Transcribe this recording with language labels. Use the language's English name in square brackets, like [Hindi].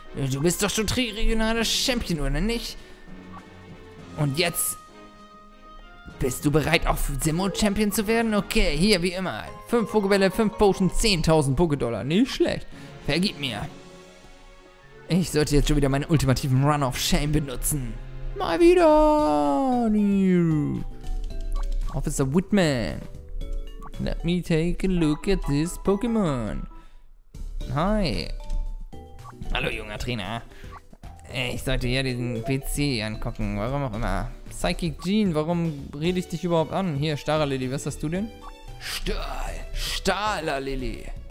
[German] Du bist doch schon triregionaler Champion, oder nicht? Und jetzt... Bist du bereit, auch Simo-Champion zu werden? Okay, hier, wie immer. 5 Pokébälle, 5 Potion, 10.000 Pokédollar. Nicht schlecht. Vergib mir. Ich sollte jetzt schon wieder meinen ultimativen Run of Shame benutzen. Mal wieder. [English] Officer Whitman, let me take a look at this Pokémon. Hi. [German] Hallo, junger Trainer. Ich sollte hier diesen PC angucken, warum auch immer. Psychic Gene, warum rede ich dich überhaupt an? Hier, Starlily, was hast du denn? Stahl, Starlily.